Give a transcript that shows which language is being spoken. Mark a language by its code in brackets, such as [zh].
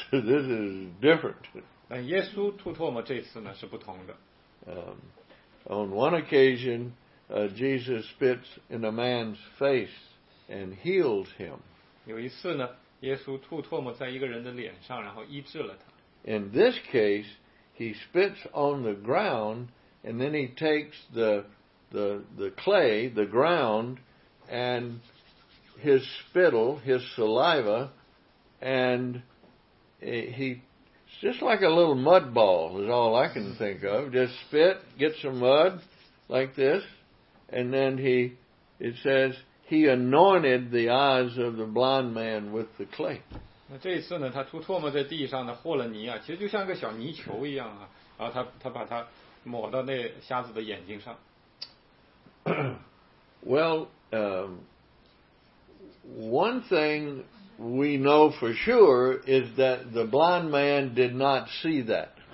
[en] This is different. [zh] 但耶稣吐唾沫这次呢是不同的。 [en] On one occasion, Jesus spits in a man's face and heals him. [zh] 有一次呢，耶稣吐唾沫在一个人的脸上，然后医治了他。 [en] In this case, he spits on the ground and then he takes the clay, the ground. And his spittle, his saliva, and he's just like a little mud ball, is all I can think of. Just spit, get some mud, like this, and then it says, he anointed the eyes of the blind man with the clay. [zh] 那这一次呢，他吐唾沫在地上呢，和了泥啊，其实就像个小泥球一样啊，然后他把它抹到那瞎子的眼睛上。 [en] Well,one thing we know for sure is that the blind man did not see that.